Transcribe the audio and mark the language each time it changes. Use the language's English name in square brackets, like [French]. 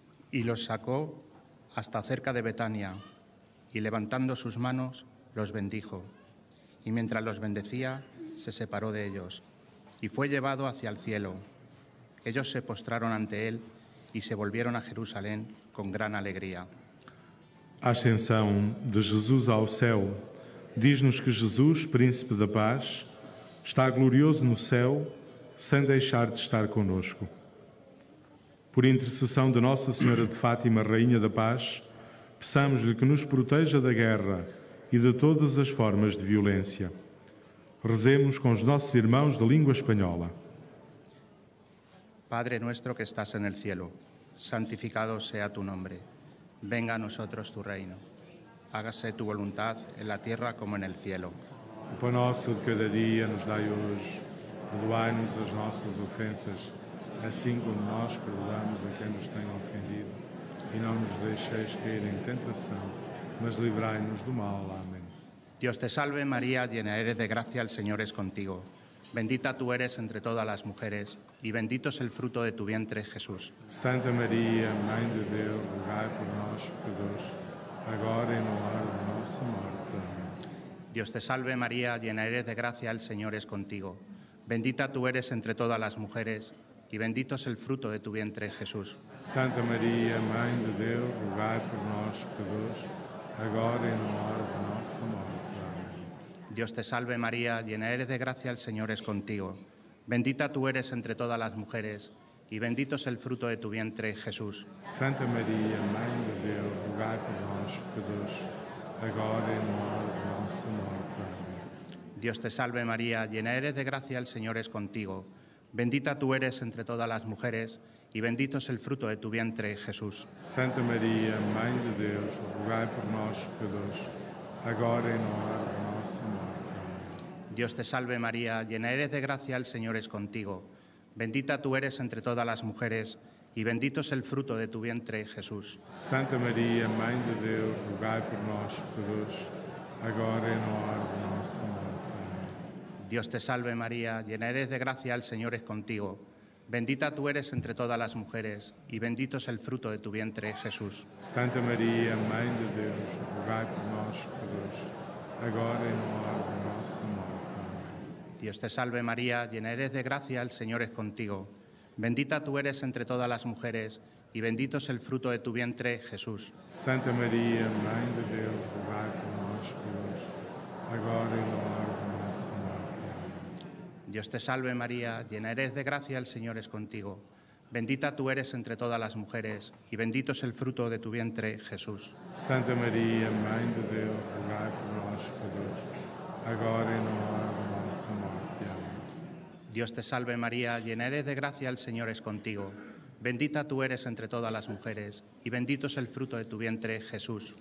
[Spanish] Y los sacó hasta cerca de Betania, y levantando sus manos, los bendijo. Y mientras los bendecía, se separó de ellos, y fue llevado hacia el cielo. Ellos se postraron ante él, y se volvieron a Jerusalén con gran alegría. [Portuguese] A ascensão de Jesus ao céu diz-nos que Jesus, Príncipe da Paz, está glorioso no céu sem deixar de estar conosco. Por intercessão de Nossa Senhora de Fátima, Rainha da Paz, peçamos-lhe que nos proteja da guerra e de todas as formas de violência. Rezemos com os nossos irmãos de língua espanhola. [Spanish] Padre nuestro que estás en el cielo, santificado sea tu nombre. Venga a nosotros tu reino. Hágase tu voluntad en la tierra como en el cielo. [Portuguese] O pão nosso de cada dia nos dai hoje. Perdoai-nos as nossas ofensas, assim como nós perdoamos a quem nos tem ofendido. E não nos deixeis cair em tentação, mas livrai-nos do mal. Amém. [Spanish] Dios te salve, María, llena eres de gracia, el Señor es contigo. Bendita tú eres entre todas las mujeres, y bendito es el fruto de tu vientre, Jesús. [Portuguese] Santa María, Mãe de Deus, rogai por nós, pecadores, agora e na hora de nossa morte. Amém. [Spanish] Dios te salve, María, llena eres de gracia, el Señor es contigo. Bendita tú eres entre todas las mujeres, y bendito es el fruto de tu vientre, Jesús. [Portuguese] Santa María, Mãe de Deus, rogai por nós, pecadores, agora e na hora de nossa morte. [Spanish] Dios te salve María, llena eres de gracia, el Señor es contigo. Bendita tú eres entre todas las mujeres y bendito es el fruto de tu vientre, Jesús. [Portuguese] Santa María, Mãe de Deus, rogai por nós, pecadores, agora e na hora de nossa morte. [Spanish] Dios te salve María, llena eres de gracia, el Señor es contigo. Bendita tú eres entre todas las mujeres y bendito es el fruto de tu vientre, Jesús. [Portuguese] Santa María, Mãe de Deus, rogai por nós, pecadores, agora e na hora de nossa morte. [Spanish] Dios te salve María, llena eres de gracia, el Señor es contigo. Bendita tú eres entre todas las mujeres y bendito es el fruto de tu vientre, Jesús. [Portuguese] Santa María, Mãe de Deus, rogai por nós, pecadores, agora e na hora de nossa morte. [Spanish] Dios te salve María, llena eres de gracia, el Señor es contigo. Bendita tú eres entre todas las mujeres y bendito es el fruto de tu vientre, Jesús. [Portuguese] Santa María, Mãe de Deus, rogai por nós, pecadores, agora e na hora de nossa morte. [Spanish] Dios te salve María, llena eres de gracia, el Señor es contigo. Bendita tú eres entre todas las mujeres y bendito es el fruto de tu vientre, Jesús. [Portuguese] Santa María, Mãe de Deus, rogai por nós, pecadores, agora e na hora de nossa morte. [Spanish] Dios te salve María, llena eres de gracia, el Señor es contigo. Bendita tú eres entre todas las mujeres y bendito es el fruto de tu vientre, Jesús. [Portuguese] Santa María, Mãe de Deus, rogai por nós, pecadores, agora e na hora de nossa morte. Amém. [Spanish] Dios te salve María, llena eres de gracia, el Señor es contigo. Bendita tú eres entre todas las mujeres y bendito es el fruto de tu vientre, Jesús.